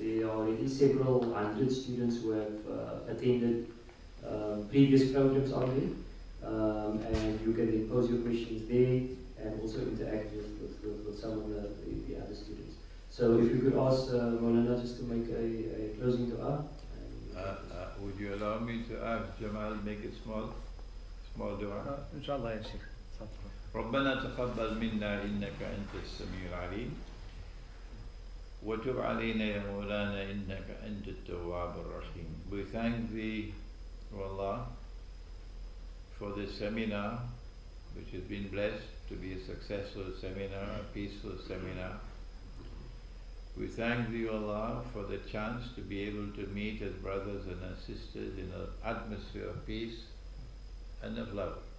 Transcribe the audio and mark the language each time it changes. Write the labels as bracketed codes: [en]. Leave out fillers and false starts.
[en] There are already several hundred students who have attended previous programs on there, and you can then pose your questions there and also interact with some of the other students. So if you could ask Maulana just to make a closing dua. Would you allow me to ask Jamal make it small dua? Inshallah, yes. [ar] ربنا تقبل منا إنك أنت السميع العليم وتب علينا يا مولانا إنك أنت التواب الرحيم. [en] We thank thee, O Allah, for this seminar, which has been blessed to be a successful seminar, a peaceful seminar. We thank thee, O Lord, for the chance to be able to meet as brothers and as sisters in an atmosphere of peace and of love.